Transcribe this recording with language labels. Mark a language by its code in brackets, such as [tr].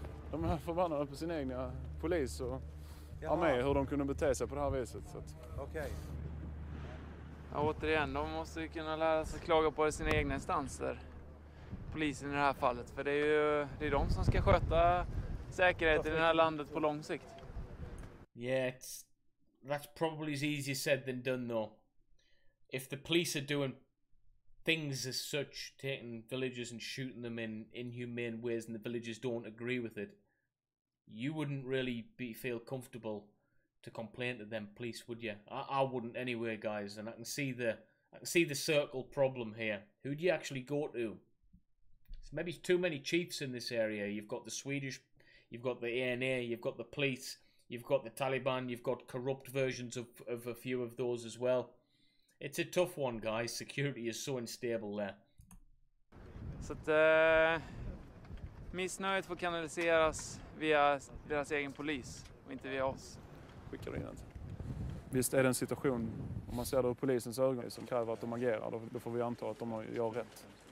[sv] De var förbannade på sin egen polis och har med hur de kunde bete sig på det här viset. Okej. Okay. Ja, återigen, de måste ju kunna lära sig klaga på sina egna instanser. Polisen i det här fallet. För det är ju det är de som ska sköta säkerhet i det här landet på lång sikt. [en] Yeah, that's probably easier said than done, though. If the police are doing things as such, taking villagers and shooting them in inhumane ways, and the villagers don't agree with it, you wouldn't really feel comfortable to complain to them police, would you? I wouldn't anyway, guys. And I can see the circle problem here. Who'd you actually go to? It's maybe too many chiefs in this area. You've got the Swedish, you've got the ANA, you've got the police. You've got the Taliban, you've got corrupt versions of a few of those as well. It's a tough one, guys. Security is so unstable there. [sv] Så att missnöjet får kanaliseras via deras egen polis och inte via oss. Skickar in det. Visst är det en situation, om man ser det ur polisens ögon, som kräver att de agerar, då får vi anta att de gör rätt.